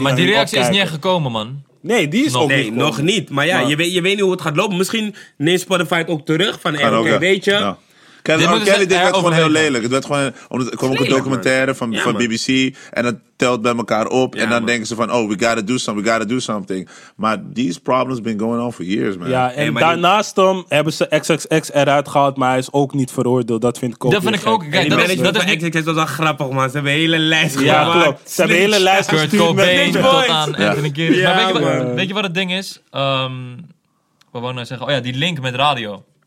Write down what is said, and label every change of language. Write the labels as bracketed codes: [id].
[nl] Maar die reactie is niet echt gekomen, man. Nee, die is ook niet gekomen. Nog niet. Maar je weet niet hoe het gaat lopen. Misschien neemt Spotify het ook terug. Van, weet je. Kijk, Kelly deed het gewoon heel lelijk. Het werd gewoon, omdat er kwam ook een documentaire van BBC. En dat telt bij elkaar op. Ja, en dan denken ze van, [en] oh, we gotta do something. Maar these problems been going on for years, man. [nl] Ja, en daarnaast hebben ze XXX eruit gehaald. Maar hij is ook niet veroordeeld. Dat vind ik ook. Dat vind ik ook. Dat is XXX was wel grappig, man. Ze hebben een hele lijst gemaakt. Ja, klopt. Ze hebben een hele lijst gestuurd. Kurt Cobain tot aan Anthony Kiedis. Maar weet je wat het ding is? Wat wou ik nou zeggen? Oh ja, die link met radio.